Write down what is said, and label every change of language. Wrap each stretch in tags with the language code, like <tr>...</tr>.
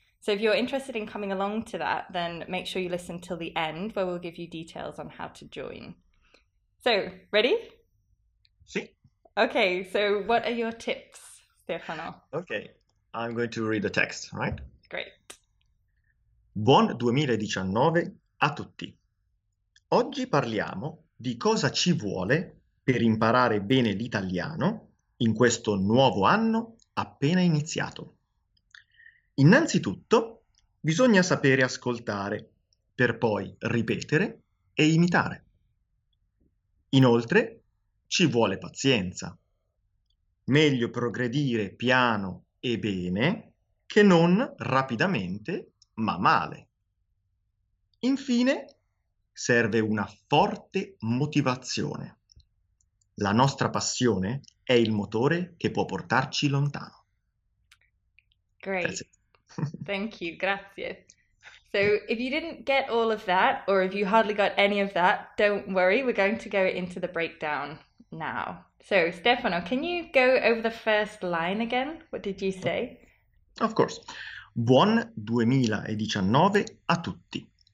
<en>So if you're interested in coming along to that, then make sure you listen till the end where we'll give you details on how to join. So, ready? Okay, so what are your tips, Stefano? Ok, I'm going to read the text, right? Great.</en> <it>Buon 2019 a tutti. Oggi parliamo di cosa ci vuole per imparare bene l'italiano in questo nuovo anno appena iniziato. Innanzitutto, bisogna sapere ascoltare per poi ripetere e imitare. Inoltre, ci vuole pazienza. Meglio progredire piano e bene che non rapidamente ma male. Infine, serve una forte motivazione. La nostra passione è il motore che può portarci lontano.</it> <en>Great. That's Thank you. Grazie. So, if you didn't get all of that, or if you hardly got any of that, don't worry. We're going to go into the breakdown now. So, Stefano, can you go over the first line again? What did you say? Of course.</en> <it>Buon 2019 a tutti.</it>